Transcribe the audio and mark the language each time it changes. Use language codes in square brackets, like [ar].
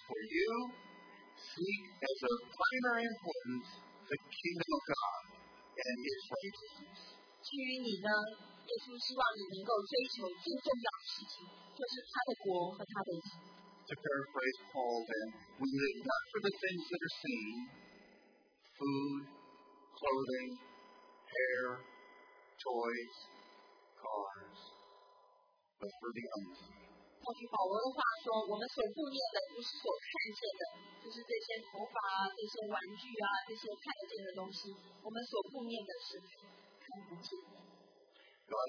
[en] for you, seek as a primary importance the kingdom of God and His righteousness. [zh] 至于你呢，耶稣希望你能够追求最重要的事情，就是他的国和他的义。 [en] To paraphrase Paul, then, we live not for the things that are seen, food, clothing, hair, toys, cars. But for the unseen. [zh] 照句保罗的话说，我们所顾念的不是所看见的，就是这些头发啊，这些玩具啊，这些看得见的东西。我们所顾念的是看不见的。 [en] God